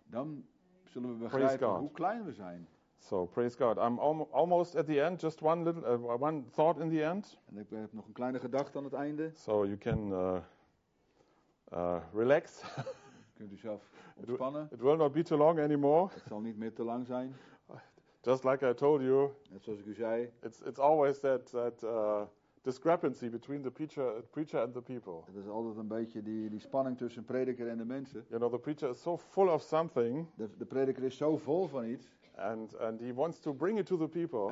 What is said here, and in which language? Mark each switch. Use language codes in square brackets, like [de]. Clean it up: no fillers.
[nl] Dan zullen we begrijpen hoe klein we zijn. [en] So praise God. I'm almost at the end. Just one little one thought in the end. [nl] En ik heb nog een kleine gedachte aan het einde. [en] So you can relax. [nl] Kunt u zelf ontspannen. [en] It will not be too long anymore. [nl] Het zal niet meer te lang zijn. [en] Just like I told you. [nl] Net zoals ik u zei. [en] It's always that discrepancy between the preacher and the people. [nl] Het is altijd een beetje die spanning tussen prediker en de mensen. [en] You know, the preacher is so full of something. [nl] De prediker is zo vol van iets. [en] And he wants to bring it to the people.